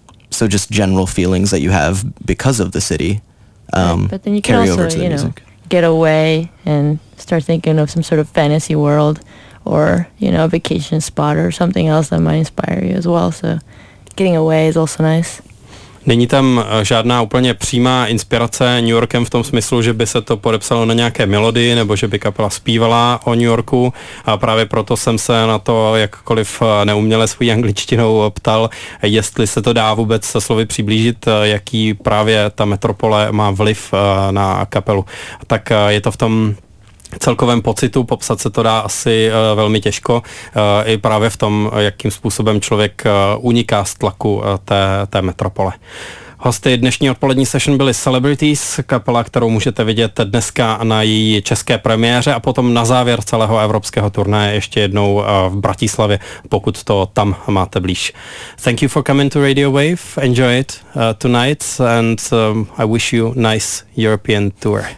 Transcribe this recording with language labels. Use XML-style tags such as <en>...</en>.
<en>So just general feelings that you have because of the city right, but then you carry can also, over to the, you know, music. Get away and start thinking of some sort of fantasy world, or, you know, a vacation spot or something else that might inspire you as well. So getting away is also nice.</en> <cs>Není tam žádná úplně přímá inspirace New Yorkem v tom smyslu, že by se to podepsalo na nějaké melodii, nebo že by kapela zpívala o New Yorku, a právě proto jsem se na to, jakkoliv neuměle svou angličtinou, ptal, jestli se to dá vůbec se slovy přiblížit, jaký právě ta metropole má vliv na kapelu. Tak je to v tom celkovém pocitu, popsat se to dá asi velmi těžko, i právě v tom, jakým způsobem člověk uniká z tlaku té metropole. Hosty dnešní odpolední session byly Celebrities, kapela, kterou můžete vidět dneska na její české premiéře a potom na závěr celého evropského turné ještě jednou v Bratislavě, pokud to tam máte blíž.</cs> <en>Thank you for coming to Radio Wave. Enjoy it tonight, and I wish you nice European tour.</en>